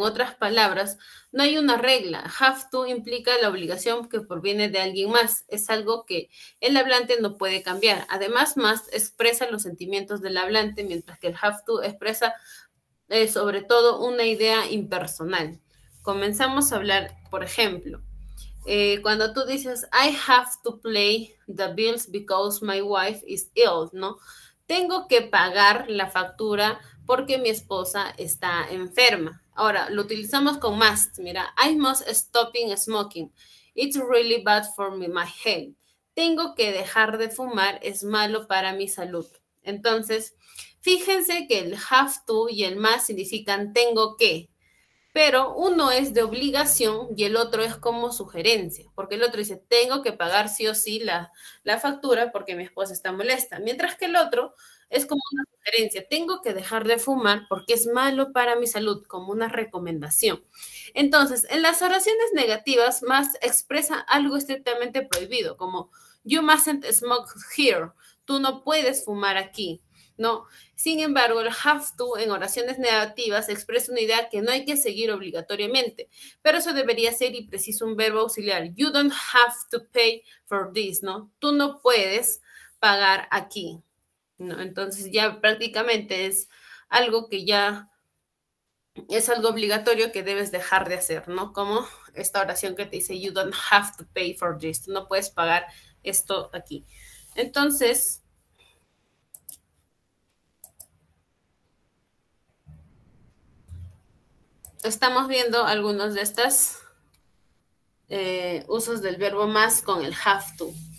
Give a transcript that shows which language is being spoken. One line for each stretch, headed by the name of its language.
Spanish: En otras palabras, no hay una regla. Have to implica la obligación que proviene de alguien más. Es algo que el hablante no puede cambiar. Además, must expresa los sentimientos del hablante, mientras que el have to expresa sobre todo una idea impersonal. Comenzamos a hablar, por ejemplo. Cuando tú dices,
English: I have to pay the bills because my wife is ill, ¿no?
Spanish: Tengo que pagar la factura porque mi esposa está enferma. Ahora, lo utilizamos con must. Mira,
English: I must stop smoking. It's really bad for me, my health.
Spanish: Tengo que dejar de fumar, es malo para mi salud. Entonces, fíjense que el have to y el must significan tengo que. Pero uno es de obligación y el otro es como sugerencia, porque el otro dice, tengo que pagar sí o sí la factura porque mi esposa está molesta, mientras que el otro es como una sugerencia, tengo que dejar de fumar porque es malo para mi salud, como una recomendación. Entonces, en las oraciones negativas, must expresa algo estrictamente prohibido, como
English: you mustn't smoke here,
Spanish: tú no puedes fumar aquí. No, sin embargo, el have to en oraciones negativas expresa una idea que no hay que seguir obligatoriamente, pero eso debería ser y preciso un verbo auxiliar.
English: You don't have to pay for this, ¿no?
Spanish: Tú no puedes pagar aquí, ¿no? Entonces ya prácticamente es algo que ya es algo obligatorio que debes dejar de hacer, ¿no? Como esta oración que te dice, you don't have to pay for this, tú no puedes pagar esto aquí. Entonces, estamos viendo algunos de estos usos del verbo must con el have to.